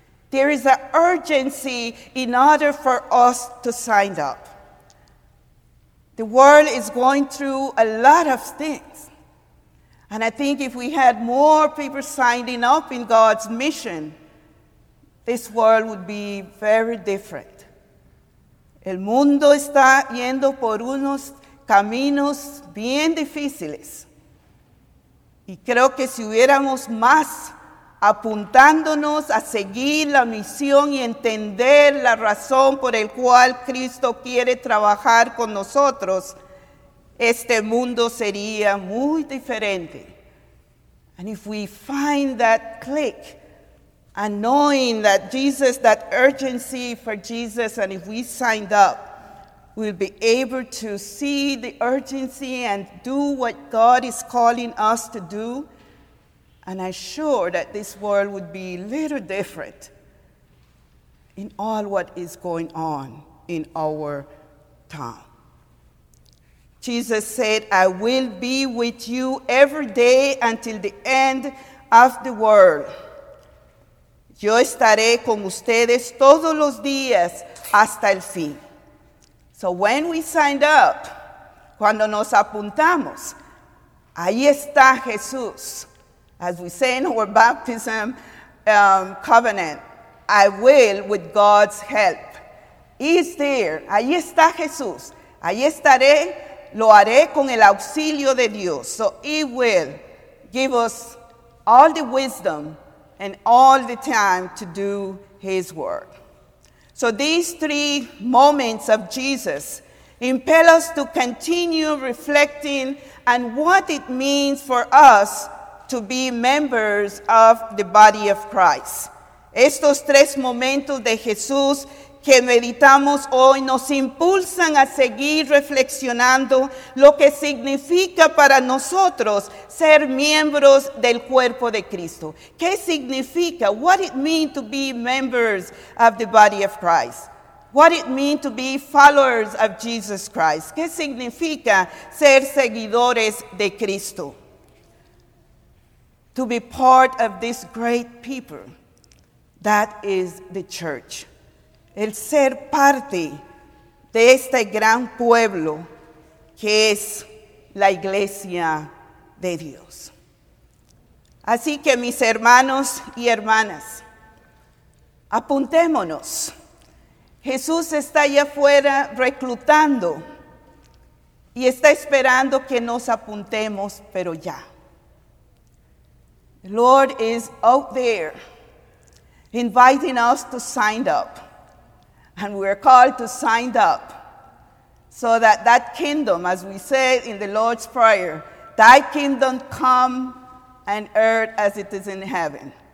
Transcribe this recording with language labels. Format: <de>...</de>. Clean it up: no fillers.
<en>There is an urgency in order for us to sign up. The world is going through a lot of things. And I think if we had more people signing up in God's mission, this world would be very different.</en> <es>El mundo está yendo por unos caminos bien difíciles. Y creo que si hubiéramos más apuntándonos a seguir la misión y entender la razón por el cual Cristo quiere trabajar con nosotros, este mundo sería muy diferente.</es> <en>And if we find that click, and knowing that Jesus, that urgency for Jesus, and if we signed up, we'll be able to see the urgency and do what God is calling us to do. And I'm sure that this world would be a little different in all what is going on in our time. Jesus said, I will be with you every day until the end of the world.</en> <es>Yo estaré con ustedes todos los días hasta el fin.</es> <en>So when we signed up,</en> <es>cuando nos apuntamos, ahí está Jesús.</es> <en>As we say in our baptism covenant, I will with God's help. He's there.</en> <es>Ahí está Jesús. Ahí estaré. Lo haré con el auxilio de Dios.</es> <en>So he will give us all the wisdom and all the time to do his work. So these three moments of Jesus impel us to continue reflecting on what it means for us to be members of the body of Christ.</en> <es>Estos tres momentos de Jesús que meditamos hoy nos impulsan a seguir reflexionando lo que significa para nosotros ser miembros del cuerpo de Cristo. ¿Qué significa?</es> <en>What it means to be members of the body of Christ? What it means to be followers of Jesus Christ?</en> <es>¿Qué significa ser seguidores de Cristo?</es> <en>To be part of this great people, that is the church.</en> <es>El ser parte de este gran pueblo que es la iglesia de Dios. Así que mis hermanos y hermanas, apuntémonos. Jesús está allá afuera reclutando y está esperando que nos apuntemos, pero ya.</es> <en>The Lord is out there inviting us to sign up. And we are called to sign up so that that kingdom, as we say in the Lord's Prayer, thy kingdom come on earth as it is in heaven.</en>